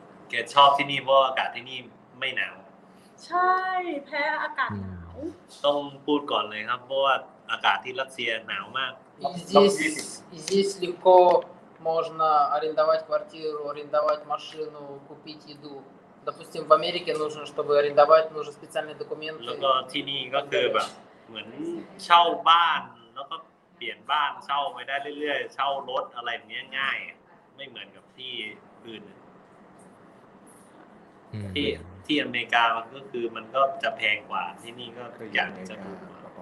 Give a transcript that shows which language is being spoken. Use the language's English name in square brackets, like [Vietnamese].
[Thai] แกชอบที่นี่เพราะอากาศที่นี่ไม่หนาว ใช่แพ้อากาศหนาว ต้องพูดก่อนเลยครับเพราะว่าอากาศที่รัสเซียหนาวมาก [Russian] zdesь легко можно арендовать квартиру арендовать машину купить еду допустим в америке нужно чтобы арендовать нужно специальные документы [Thai] แล้วก็ที่นี่ก็คือแบบเหมือนเช่าบ้านแล้วก็เปลี่ยนบ้านเช่าไปได้เรื่อยๆเช่ารถอะไรอย่างเงี้ยง่ายไม่เหมือนกับที่อื่นที่อเมริกาก็คือมันก็จะแพงกว่าที่นี่ก็คืออย่างจะถูกกว่า